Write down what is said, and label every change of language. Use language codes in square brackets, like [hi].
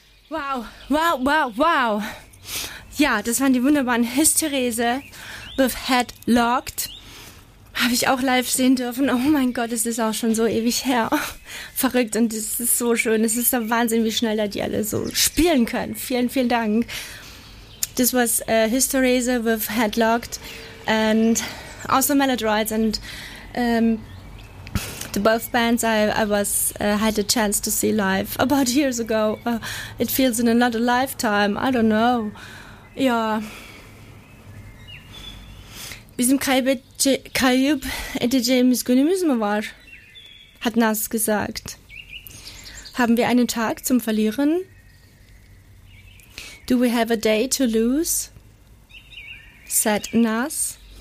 [de] Wow, wow, wow. Ja, das waren die wunderbaren Hysterese with Head Locked. Habe ich auch live sehen dürfen. Oh mein Gott, es ist auch schon so ewig her. Verrückt, und es ist so schön. Es ist der Wahnsinn, wie schnell da die alle so spielen können. Vielen, vielen Dank. [en] This was Hysterese with Head Locked and also Maladroids and both bands I had a chance to see live about years ago. It feels in another lifetime. I don't know. Ja. [de] Bis im Kajub hätte James Gunny müssen war, hat Nas gesagt. Haben wir einen Tag zum Verlieren? [en] Do we have a day to lose? Said Nas.